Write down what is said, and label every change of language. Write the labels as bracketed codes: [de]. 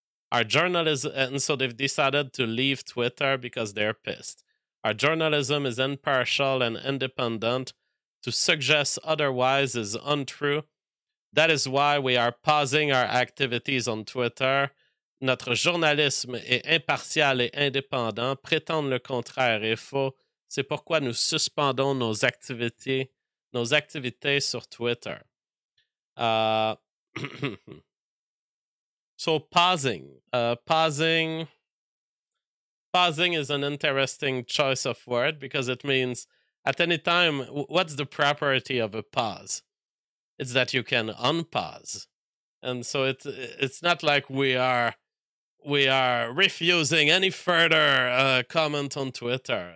[en] Our journalism, and so they've decided to leave Twitter because they're pissed. Our journalism is impartial and independent. To suggest otherwise is untrue. That is why we are pausing our activities on Twitter. [fr] Notre journalisme est impartial et indépendant. Prétendre le contraire est faux. C'est pourquoi nous suspendons nos activités sur Twitter. [en] So pausing. Pausing is an interesting choice of word because it means at any time, what's the property of a pause? It's that you can unpause. And so it's not like we are refusing any further comment on Twitter.